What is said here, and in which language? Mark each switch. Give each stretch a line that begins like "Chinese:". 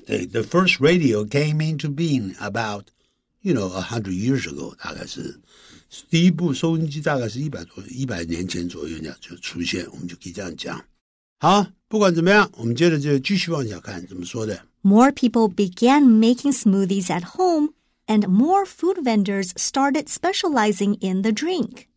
English: The first radio came into being about, you know, 100 years ago,
Chinese: 大概是。第一部收音机大概是100年前左右就出现，我们就可以这样讲。好，不管怎么样，我们接着就继续往下看，怎么说的。
English: More people began making smoothies at home, and more food vendors started specializing in the drink.